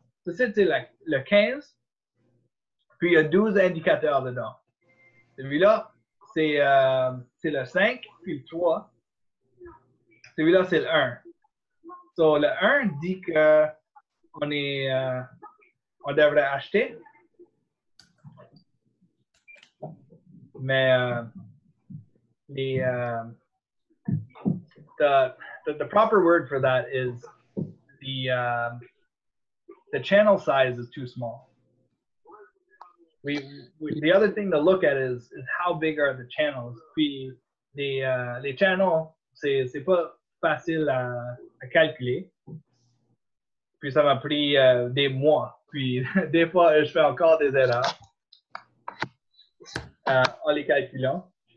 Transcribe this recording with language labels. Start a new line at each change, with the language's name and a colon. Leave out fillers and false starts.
French: Ça, c'est le 15, puis il y a 12 indicateurs dedans. Celui-là, c'est le 5, puis le 3. Celui-là, c'est le 1. So, le 1 dit qu'on est, on devrait acheter.
English: Mais the proper word for that is the channel size is too small. We the other thing to look at is how big are the channels.
French: Puis les channels, c'est pas facile à calculer. Puis ça m'a pris des mois Puis des fois, je fais encore des erreurs en les calculant.